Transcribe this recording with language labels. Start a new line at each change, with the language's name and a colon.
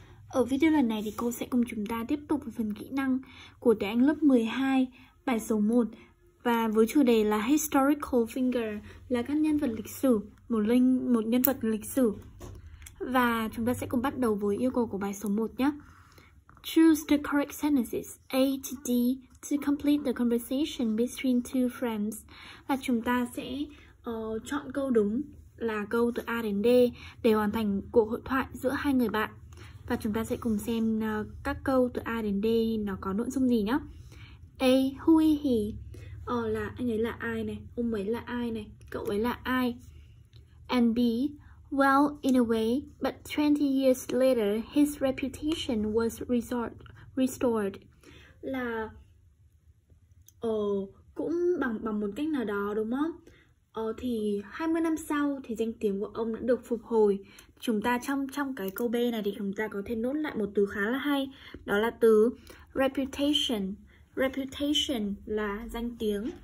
Vietnamese: Ở video lần này thì cô sẽ cùng chúng ta tiếp tục phần kỹ năng của trẻ em lớp 12, bài số 1. Và với chủ đề là Historical Figure, là các nhân vật lịch sử, một nhân vật lịch sử. Và chúng ta sẽ cùng bắt đầu với yêu cầu của bài số 1 nhé.
English: Choose the correct sentences A to D to complete the conversation between two friends.
Vietnamese: Và chúng ta sẽ chọn câu đúng là câu từ A đến D để hoàn thành cuộc hội thoại giữa hai người bạn. Và chúng ta sẽ cùng xem các câu từ A đến D nó có nội dung gì nhé. A,
English: who is he?
Vietnamese: Là anh ấy là ai này, ông ấy là ai này, cậu ấy là ai.
English: And B, well, in a way, but 20 years later, his reputation was restored.
Vietnamese: Là, cũng bằng một cách nào đó đúng không? Thì 20 năm sau thì danh tiếng của ông đã được phục hồi. Chúng ta trong cái câu B này thì chúng ta có thể nốt lại một từ khá là hay. Đó là từ reputation. Reputation là danh tiếng.